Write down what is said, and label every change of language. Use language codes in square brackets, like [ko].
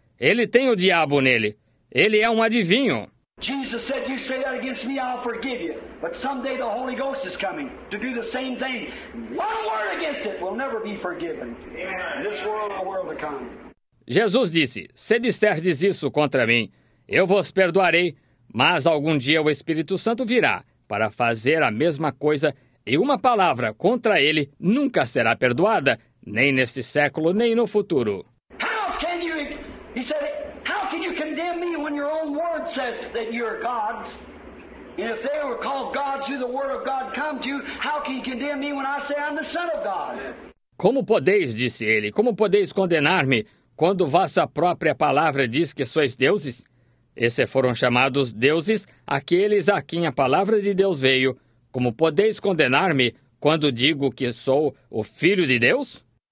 [pt] Ele tem o diabo nele. Ele é um adivinho. [en] Jesus said, you say that against me, I'll forgive you. But someday the Holy Ghost is coming to do the same thing. One word against it will never be forgiven. In this world, the world will come. [pt] Jesus disse, se disserdes isso contra mim, eu vos perdoarei, mas algum dia o Espírito Santo virá para fazer a mesma coisa e uma palavra contra ele nunca será perdoada, nem neste século, nem no futuro. [en] How can you, he said, how can you condemn me when your own word says that you're gods? And if they were called gods, who the word of God come to you, how can you condemn me when I say I'm the son of God? [pt] Como podeis, disse ele, como podeis condenar-me quando vossa própria palavra diz que sois deuses? Esses foram chamados deuses, aqueles a quem a palavra de Deus veio. Como podeis condenar-me quando digo que sou o Filho de Deus?